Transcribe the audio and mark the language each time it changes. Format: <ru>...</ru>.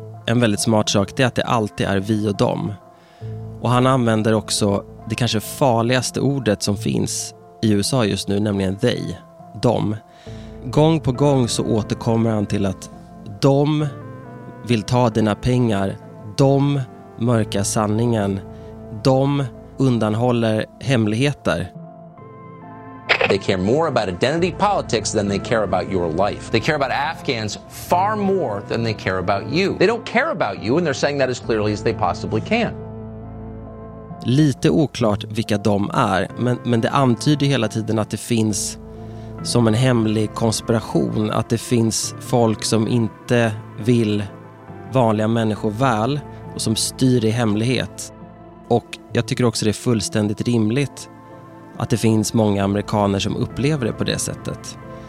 <sv>en väldigt smart sak, det är att det alltid är vi och dem. Och han använder också det kanske farligaste ordet som finns i USA just nu, nämligen they, dem. Gång på gång så återkommer han till att de vill ta dina pengar, de mörkar sanningen, de undanhåller hemligheter.</sv> <en>They care more about identity politics than they care about your life. They care about Afghans far more than they care about you. They don't care about you, and they're saying that as clearly as they possibly can.</en> <sv>Lite oklart vilka de är, men det antyder hela tiden att det finns som en hemlig konspiration, att det finns folk som inte vill vanliga människor väl och som styr i hemlighet. Och jag tycker också det är fullständigt rimligt att det finns många amerikaner som upplever det på det sättet.</sv>